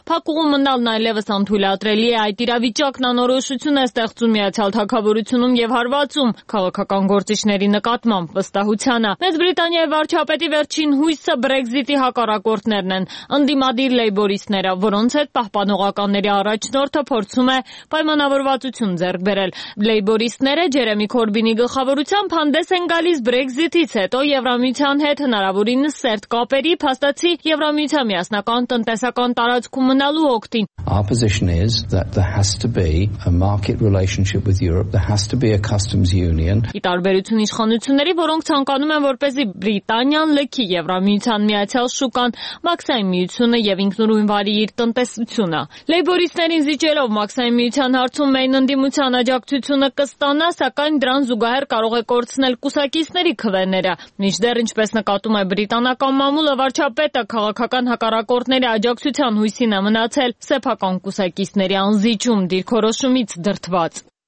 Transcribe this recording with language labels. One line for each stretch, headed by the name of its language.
Armenian: «Փակուղու մնալն այլևս անթույլատրելի է, այդ իրավիճակն անորոշություն է ստեղծում Միացյալ Թագավորությունում և հարվածում քաղաքական գործիչների նկատմամբ վստահությանը»։ Մեծ Բրիտանիայի վարչապետի վերջին հույսը Բրեքզիտի հակառակորդներն են, ընդդիմադիր լեյբորիստները, որոնց հետ պահպանողականների առաջնորդը փորձում է պայմանավորվածություն ձեռք բերել։ Լեյբորիստները Ջերեմի Քորբինի գլխավորությամբ հանդես են գալիս Բրեքզիտից հետո Եվրամիության հետ հնարավորինս սերտ կապերի, փաստացի Եվրամիության միասնական տնտեսական տարածքում մնալու օգտին։
English: Our position is that there has to be a market relationship with Europe, there has to be a customs union.
Armenian: Ի տարբերություն իշխանությունների, որոնք ցանկանում են, որպեսզի Բրիտանիան լքի Եվրամիության միացյալ շուկան, մաքսային միությունը եւ ինքնուրույն վարի իր տնտեսությունը։ Լեյբորիստներին զիջելով մաքսային միության հարցում Մեյն ընդդիմության աջակցությունը կստանա, սակայն դրան զուգահեռ կարող է կորցնել կուսակիցների քվեները։ Միջդեռ, ինչպես նկատում է բրիտանական մամուլը, վարչապետը քաղաքական հակառակորդների աջակցության հույսին է մնացել սեփական կուսակիցների անզիջում դիրքորոշումից դրդված։